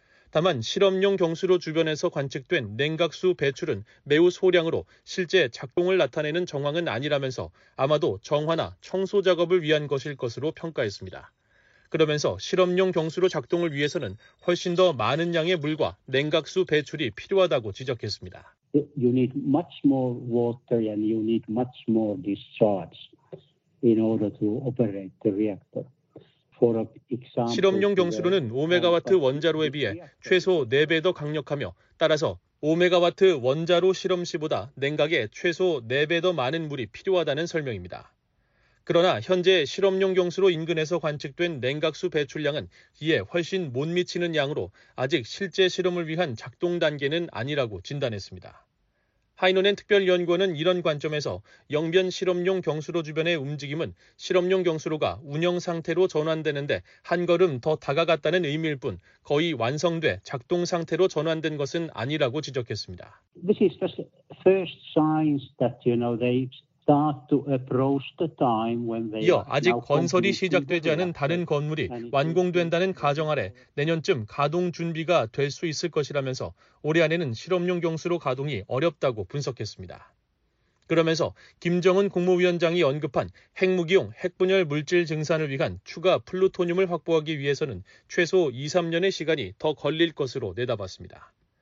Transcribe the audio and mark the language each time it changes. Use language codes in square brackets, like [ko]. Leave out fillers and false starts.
[ko] 다만 실험용 경수로 주변에서 관측된 냉각수 배출은 매우 소량으로 실제 작동을 나타내는 정황은 아니라면서 아마도 정화나 청소 작업을 위한 것일 것으로 평가했습니다. 그러면서 실험용 경수로 작동을 위해서는 훨씬 더 많은 양의 물과 냉각수 배출이 필요하다고 지적했습니다. [en] You need much more water and you need much more discharge in order to operate the reactor. [ko] 실험용 경수로는 5메가와트 원자로에 비해 최소 4배 더 강력하며 따라서 5메가와트 원자로 실험실보다 냉각에 최소 4배 더 많은 물이 필요하다는 설명입니다. 그러나 현재 실험용 경수로 인근에서 관측된 냉각수 배출량은 이에 훨씬 못 미치는 양으로 아직 실제 실험을 위한 작동 단계는 아니라고 진단했습니다. 하이노넨 특별연구원은 이런 관점에서 영변 실험용 경수로 주변의 움직임은 실험용 경수로가 운영 상태로 전환되는데 한 걸음 더 다가갔다는 의미일 뿐 거의 완성돼 작동 상태로 전환된 것은 아니라고 지적했습니다. [en] This is the first signs that you know they start to approach the time when they [ko] 이어 아직 건설이 시작되지 않은 다른 건물이 완공된다는 가정 아래 내년쯤 가동 준비가 될 수 있을 것이라면서 올해 안에는 실험용 경수로 가동이 어렵다고 분석했습니다. 그러면서 김정은 국무위원장이 언급한 핵무기용 핵분열 물질 증산을 위한 추가 플루토늄을 확보하기 위해서는 최소 2, 3년의 시간이 더 걸릴 것으로 내다봤습니다.